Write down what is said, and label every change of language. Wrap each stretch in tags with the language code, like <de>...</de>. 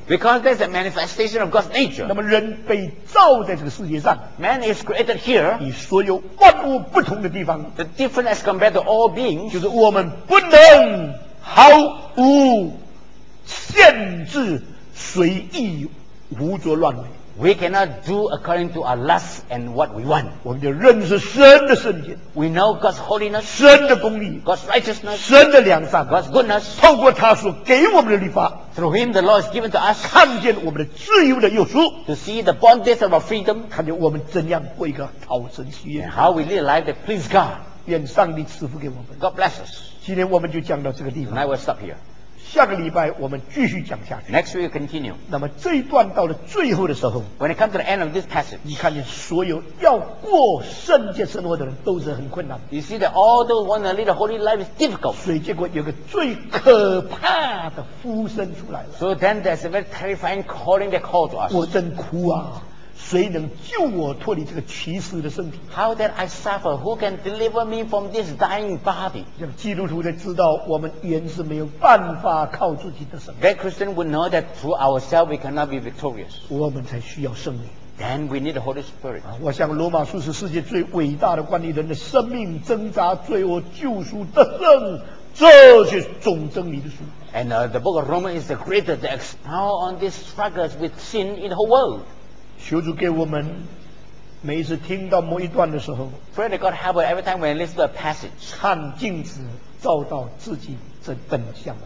<en>Because that's a manifestation of God's nature.</en> <zh>那么人被造在这个世界上</zh> <en>，Man is created here.</en> <zh>与所有万物不同的地方</zh> <en>，The difference as compared to all beings.</en> <zh>就是我们不能毫无限制、随意、胡作乱为。</zh> <en>We cannot do according to our lusts and what we want.</en> <zh>我们就认识神的圣洁。</zh> <en>We know God's holiness.</en> <zh>神的公义。</zh> <en>God's righteousness.</en> <zh>神的良善。</zh> <en>God's goodness.</en> <zh>透过他所给我们的律法。</zh> <en>Through him, the law is given to us.</en> <zh>看见我们的自由的又属。</zh> <en>To see the bondage of our freedom.</en> <zh>看见我们怎样过一个讨神喜悦。</zh> <en>And how we live a life that please God.</en> <zh>愿上帝赐福给我们。</zh> <en>God bless us.</en> <zh>今天我们就讲到这个地方。</zh> <en>And I will stop here.</en> <zh>下个礼拜我们继续讲下去。</zh> <en>Next week continue.</en> <zh>那么这一段到了最后的时候</zh> <en>，When it comes to the end of this passage，</en> <zh>你看见所有要过圣洁生活的人都是很困难。</zh> <en>You see that all those want to live a holy life is difficult.</en> <zh>所以结果有个最可怕的呼声出来了。</zh> <en>So then there's a very terrifying calling that called to us.</en> <zh>我真哭啊！谁能救我脱离这个屈死的身体</zh> <en>？How that I suffer? Who can deliver me from this dying body?</en> <zh>让基督徒才知道，我们原是没有办法靠自己的神。</zh> <en>That Christian would know that through ourselves we cannot be victorious.</en> <zh>我们才需要圣灵。</zh> <en>Then we need the Holy Spirit.</en> <zh>我想罗马书是世界最伟大的管理人的生命挣扎、罪恶、救赎、得胜，这些总真理的书。</zh> <en>And the book of Romans is the greatest that expounds on these struggles with sin in the whole world.</en> <zh>求主给我们每一次听到某一段的时候</zh> <en>Pray that God help us every time when we listen to a passage</en> <zh>看镜子照到自己这本相</zh>